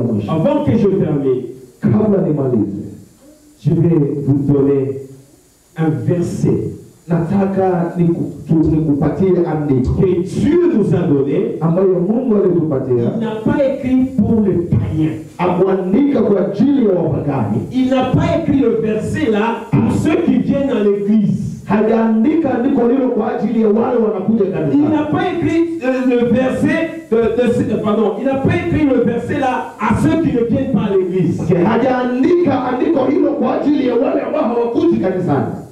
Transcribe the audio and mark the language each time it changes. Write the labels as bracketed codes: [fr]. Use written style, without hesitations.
[fr] Avant que je termine, je vais vous donner un verset. [sw] Nataka nikupatie andiko. [fr] Que Dieu nous a donné. [sw] Ambayo Mungu alitupatia. [fr] Il n'a pas écrit pour les païens. [sw] Akuandika kwa ajili ya wapagani. [fr] Il n'a pas écrit le verset là pour ceux qui viennent à l'église. [sw] Hajaandika andiko hilo kwa ajili ya wale wanakuja kanisani. [fr] Il n'a pas écrit le verset il n'a pas écrit le verset là à ceux qui ne viennent pas à l'église. [sw] Hajaandika andiko hilo kwa ajili ya wale ambao hawakuji kanisani.